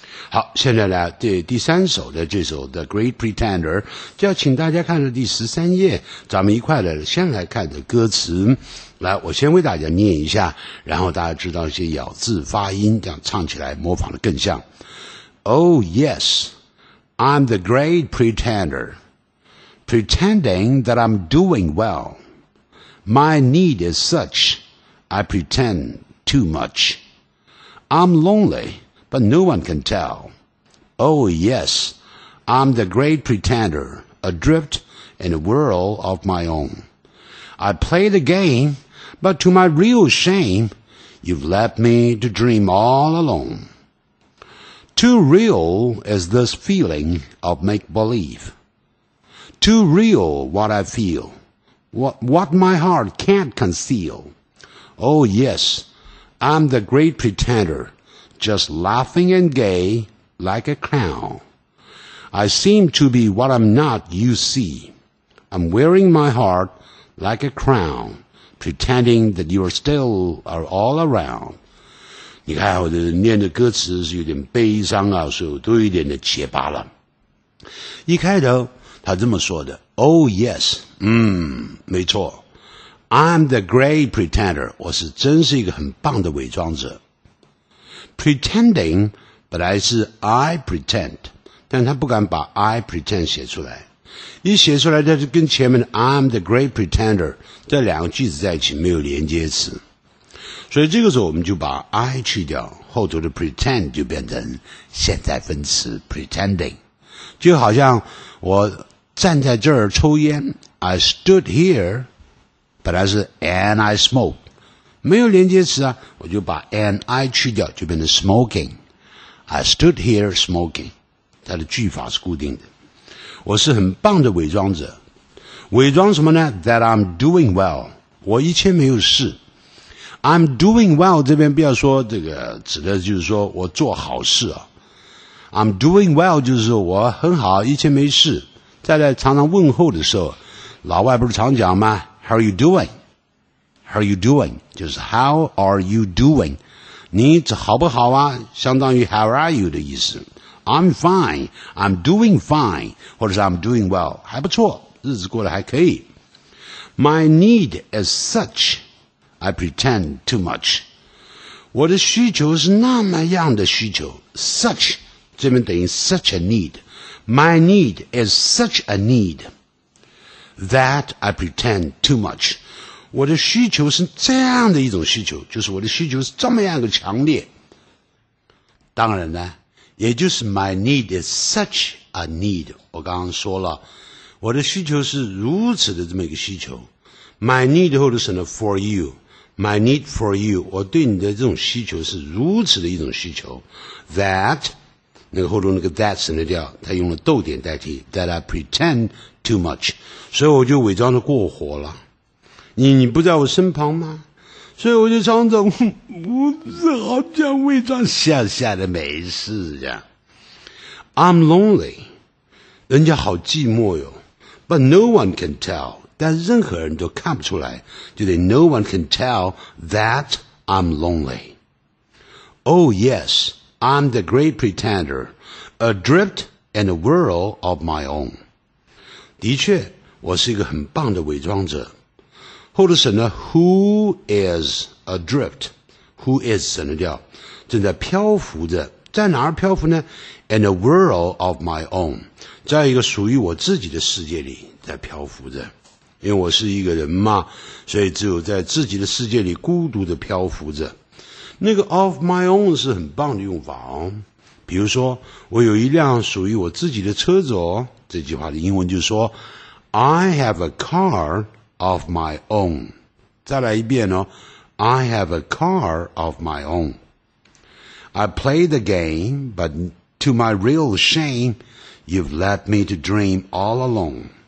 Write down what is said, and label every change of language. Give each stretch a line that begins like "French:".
Chinese: 好，现在呢这第三首的这首 The Great Pretender 就要请大家看到第13页，咱们一块来先来看的歌词。来，我先为大家念一下，然后大家知道一些咬字发音，这样唱起来模仿的更像。
English: Oh yes, I'm the great pretender, pretending that I'm doing well. My need is such, I pretend too much. I'm lonely, but no one can tell. Oh yes, I'm the great pretender, adrift in a world of my own. I play the game, but to my real shame, you've left me to dream all alone. Too real is this feeling of make-believe. Too real what I feel, what my heart can't conceal. Oh yes, I'm the great pretender, just laughing and gay like a clown. I seem to be what I'm not, you see. I'm wearing my heart like a crown, pretending that you're still all around.
Chinese: 你看我的念的歌词是有点悲伤啊，所以我都有点的结巴了。一开头他这么说的
English: Oh yes，
Chinese: 没错，
English: I'm the great pretender，
Chinese: 我是真是一个很棒的伪装者。 Pretending 本来是 I pretend， 但他不敢把 I pretend 写出来，一写出来他就跟前面的
English: I'm the great pretender
Chinese: 这两个句子在一起没有连接词，所以这个时候我们就把 I 去掉，后头的 pretend 就变成现在分词 pretending， 就好像我站在这儿抽烟
English: I stood here，
Chinese: 本来是
English: and I smoke，
Chinese: 没有连接词啊，我就把 and I 去掉就变成 smoking，
English: I stood here smoking，
Chinese: 它的句法是固定的。我是很棒的伪装者，伪装什么呢？
English: That I'm doing well，
Chinese: 我一切没有事。
English: I'm doing well，
Chinese: 这边不要说这个指的就是说我做好事啊。
English: I'm doing well
Chinese: 就是我很好，一切没事。再来常常问候的时候，老外不是常讲吗？
English: How are you doing? How are you doing?
Chinese: 就是
English: How are you doing?
Chinese: 你好不好啊？相当于 How are you 的意思。
English: I'm fine, I'm doing fine，
Chinese: 或者是
English: I'm doing well，
Chinese: 还不错，日子过得还可以。
English: My need is such,I pretend too much.
Chinese: 我的需求是那么样的需求。
English: Such,
Chinese: 这边等于
English: such a need. My need is such a need. That I pretend too much.
Chinese: 我的需求是这样的一种需求，就是我的需求是这么样的强烈。当然呢，也就是
English: my need is such a need.
Chinese: 我刚刚说了，我的需求是如此的这么一个需求。
English: My need 后头是 for you. My need for you，
Chinese: 我对你的这种需求是如此的一种需求。 That， 那个后头那个 that 省得掉，他用了逗点代替。
English: That I pretend too much，
Chinese: 所以我就伪装的过火了。你不在我身旁吗？所以我就常常我只好这样伪装，笑笑的没事这样。
English: I'm lonely，
Chinese: 人家好寂寞哟。
English: But no one can tell。
Chinese: 但任何人都看不出来，就得
English: No one can tell that I'm lonely. Oh yes, I'm the great pretender, adrift in a world of my own.
Chinese: 的确，我是一个很棒的伪装者。后头是呢 Who is adrift, who is 省略掉，正在漂浮着，在哪儿漂浮呢 ？
English: In a world of my own,
Chinese: 在一个属于我自己的世界里在漂浮着。因为我是一个人嘛，所以只有在自己的世界里孤独地漂浮着。那个
English: of my own
Chinese: 是很棒的用法哦。比如说，我有一辆属于我自己的车子哦。这句话的英文就说
English: I have a car of my own。
Chinese: 再来一遍哦
English: ，I have a car of my own。 I play the game, but to my real shame, you've left me to dream all alone.